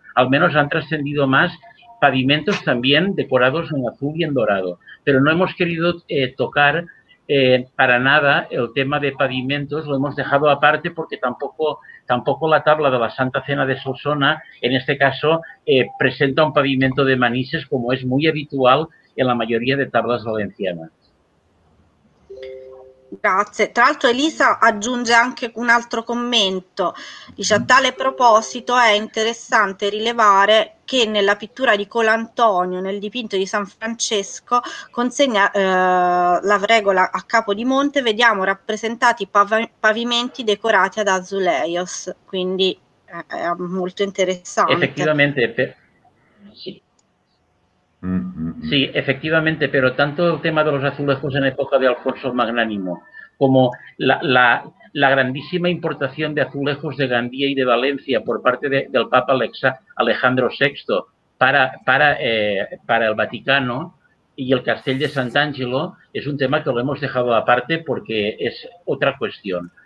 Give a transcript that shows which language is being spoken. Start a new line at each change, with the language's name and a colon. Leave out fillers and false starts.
Spanish: Al menos han trascendido más pavimentos también decorados en azul y en dorado, pero no hemos querido tocar para nada el tema de pavimentos, lo hemos dejado aparte porque tampoco la tabla de la Santa Cena de Solsona, en este caso, presenta un pavimento de Manises como es muy habitual en la mayoría de tablas valencianas.
Italian: Grazie. Tra l'altro Elisa aggiunge anche un altro commento. Dice: a tale proposito è interessante rilevare che nella pittura di Colantonio, nel dipinto di San Francesco, consegna la regola a Capodimonte, vediamo rappresentati pavimenti decorati ad azulejos. Quindi è molto interessante.
Spanish: Efectivamente, sì, efectivamente, pero tanto el tema de los azulejos en época de Alfonso Magnánimo como la grandísima importación de azulejos de Gandía y de Valencia por parte del Papa Alejandro VI para el Vaticano y el Castell de Sant'Angelo es un tema que lo hemos dejado aparte porque es otra cuestión.